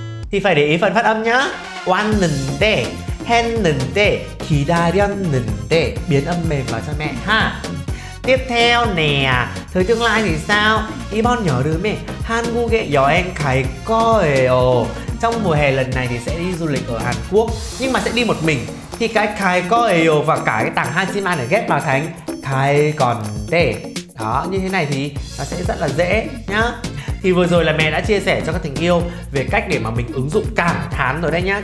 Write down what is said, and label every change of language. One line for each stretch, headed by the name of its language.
Vietnamese: Thì phải để ý phần phát âm nhá.
Korean: 왔는데 했는데 기다렸는데
Vietnamese: biến âm mềm vào cho mẹ ha. Tiếp theo nè, thời tương lai thì sao?
Korean: 이번 여름에 한국에 여행 갈 거예요.
Vietnamese: Trong mùa hè lần này thì sẽ đi du lịch ở Hàn Quốc, nhưng mà sẽ đi một mình. Thì cái 갈 거예요 và cả cái tảng 하지만 này ghép vào thành 갈 건데. Đó, như thế này thì nó sẽ rất là dễ nhá. Thì vừa rồi là mẹ đã chia sẻ cho các thành yêu về cách để mà mình ứng dụng cảm thán rồi đấy nhá.